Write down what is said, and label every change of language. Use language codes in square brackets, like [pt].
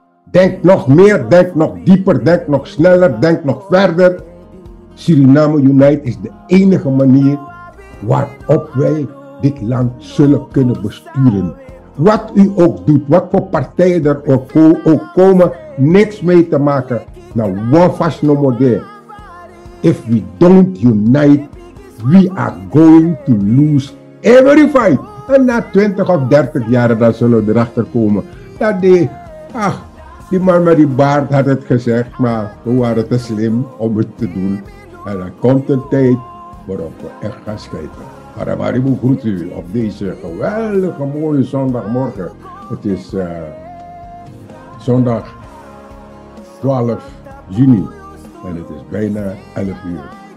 [nl] Denk nog meer, denk nog dieper, denk nog sneller, denk nog verder. Suriname Unite is de enige manier waarop wij... dit land zullen kunnen besturen. Wat u ook doet, wat voor partijen er ook komen, niks mee te maken. Nou, wat vast nog maar daar. [en] If we don't unite, we are going to lose every fight. [nl] En na 20 of 30 jaar, dan zullen we erachter komen. Dat die, ach, Die man met die baard had het gezegd, maar we waren te slim om het te doen. En dan komt een tijd waarop we echt gaan schrijven. Maar ik begroet u op deze geweldige mooie zondagmorgen. Het is zondag 12 juni en het is bijna 11 uur.